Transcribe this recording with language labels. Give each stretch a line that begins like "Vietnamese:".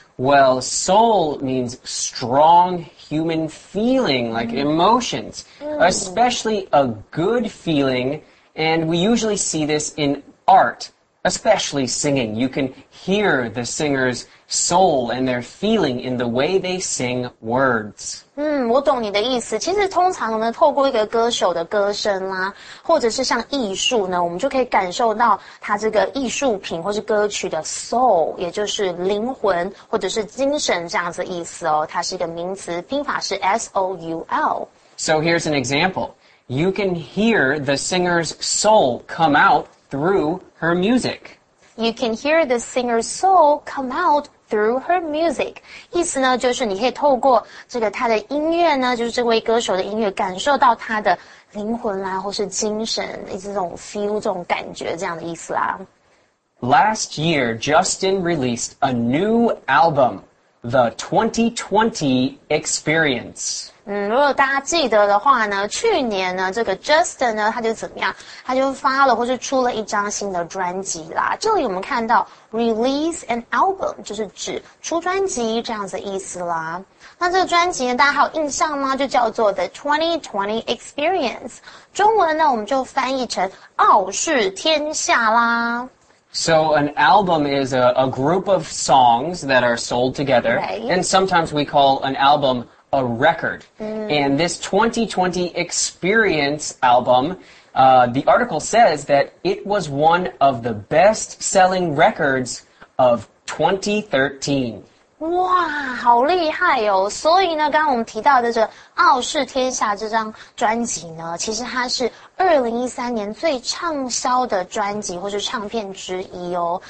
English: Well, soul means strong human feeling, like emotions, especially a good feeling, and we usually see this in art, especially singing. You can hear the singer's soul and their feeling in the way they sing words.
Chinese: 我懂你的意思。其实通常呢，透过一个歌手的歌声啦，或者是像艺术呢，我们就可以感受到他这个艺术品或是歌曲的 soul， 也就是灵魂或者是精神这样子的意思哦。它是一个名词，拼法是 soul。
English: So here's an example. You can hear the singer's soul come out through her music. You can hear the singer's soul come out through her music.
Chinese: 意思呢，就是你可以透过这个她的音乐呢，就是这位歌手的音乐，感受到她的灵魂啦，或是精神，这种 feel， 这种感觉，这样的意思啦。
English: Last year, Justin released a new album, The 2020 Experience.
Chinese: 如果大家记得的话呢，去年呢，这个 Justin 呢，他就怎么样？他就发了或是出了一张新的专辑啦。这里我们看到
English: release an album，
Chinese: 就是指出专辑这样子的意思啦。那这个专辑呢，大家还有印象吗？就叫做 The 2020 Experience。中文呢，我们就翻译成傲视天下啦。
English: So an album is a group of songs that are sold together. Right. And sometimes we call an album a record. Mm. And this 2020 Experience album, the article says that it was one of the best-selling records of 2013.
Chinese: 哇，好厉害哦！所以呢，刚刚我们提到的这《傲视天下》这张专辑呢，其实它是2013年最畅销的专辑或是唱片之一哦。